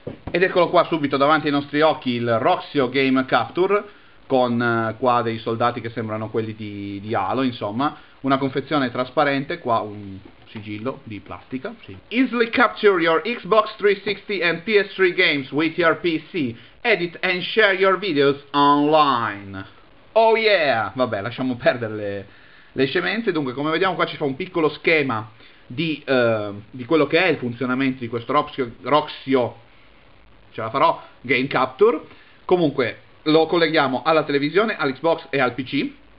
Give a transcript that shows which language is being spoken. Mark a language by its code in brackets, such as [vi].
[it] Ed eccolo qua subito davanti ai nostri occhi, il Roxio Game Capture, con qua dei soldati che sembrano quelli di Halo, insomma. Una confezione trasparente, qua un sigillo di plastica, sì. [en] Easily capture your Xbox 360 and PS3 games with your PC. Edit and share your videos online. Oh yeah! [it] Vabbè, lasciamo perdere le scemenze. Dunque, come vediamo qua ci fa un piccolo schema di quello che è il funzionamento di questo Roxio, ce la farò, Game Capture. Comunque, lo colleghiamo alla televisione, all'Xbox e al PC.